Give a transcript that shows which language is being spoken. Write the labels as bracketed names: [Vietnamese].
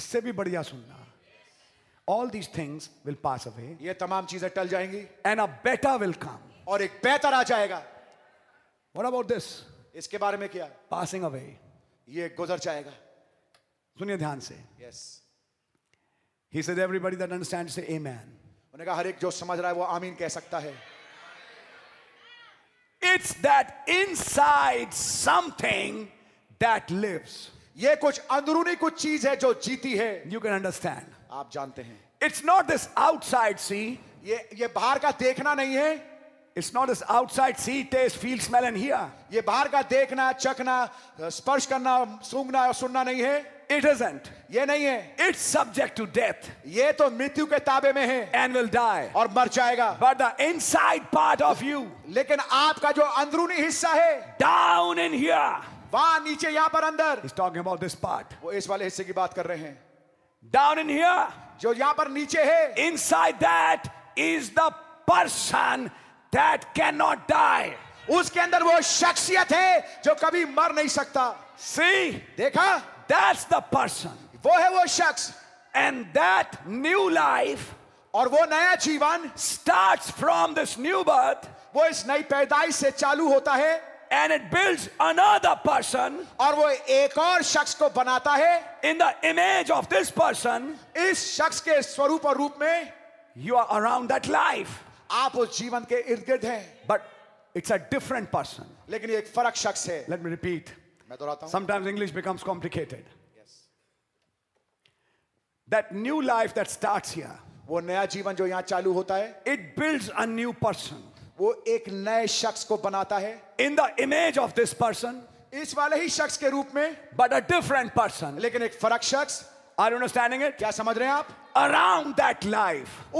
[Hindi] इससे भी बढ़िया सुनना [English] All these things will pass away. [Hindi] ये तमाम चीजें टल जाएंगी [English] And a better will come. [Hindi] और एक बेहतर आ जाएगा [English] What about this? [Hindi] इसके बारे में क्या [English] Passing away. [Hindi] ये गुजर जाएगा सुनिए ध्यान से [English] Yes. He said, everybody that understands, say Amen. [Hindi] उन्हें कहा हर एक जो समझ रहा है वो आमीन कह सकता है [English] It's that inside something that lives. [Hindi] ये कुछ अंदरूनी कुछ चीज है जो जीती है [English] You can understand. [Hindi] आप जानते हैं [English] it's not this outside see [Hindi] ये बाहर का देखना नहीं है [English] it's not this outside see test feel smell and here [Hindi] ये बाहर का देखना चखना स्पर्श करना सूंघना और सुनना नहीं है [English] it isn't [Hindi] ये नहीं है [English] it's subject to death [Hindi] ये तो मृत्यु के ताबे में है [English] and will die [Hindi] और मर जाएगा [English] but the inside part of you [Hindi] लेकिन आपका जो अंदरूनी हिस्सा है [English] down in here [Hindi] वहां नीचे यहां पर अंदर [English] He's talking about this part. [Hindi] वो इस वाले हिस्से की बात कर रहे हैं [English] Down in here, [Hindi] जो यहां पर नीचे है [English] inside that is the person that cannot die. [Hindi] उसके अंदर वो शख्सियत है जो कभी मर नहीं सकता [English] See, [Hindi] देखा [English] That's the person. [Hindi] वो है वो शख्स [English] And that new life [Hindi] और वो नया जीवन [English] starts from this new birth. [Hindi] वो इस नई पैदाइश से चालू होता है [English] And it builds another person [Hindi] और वो एक और शख्स को बनाता है [English] in the image of this person [Hindi] इस शख्स के स्वरूप और रूप में [English] you are around that life [Hindi] आप उस जीवन के इर्द-गिर्द हैं [English] but it's a different person [Hindi] लेकिन ये एक फर्क शख्स है [English] let me repeat [Hindi] मैं दोहराता हूं [English] sometimes English becomes complicated yes that new life that starts here [Hindi] वो नया जीवन जो यहां चालू होता है [English] it builds a new person [Hindi] वो एक नए शख्स को बनाता है [English] in the image of this person [Hindi] इस वाले ही शख्स के रूप में [English] but a different person [Hindi] लेकिन एक फर्क शख्स [English] are you understanding it [Hindi] क्या समझ रहे हैं आप [English] around that life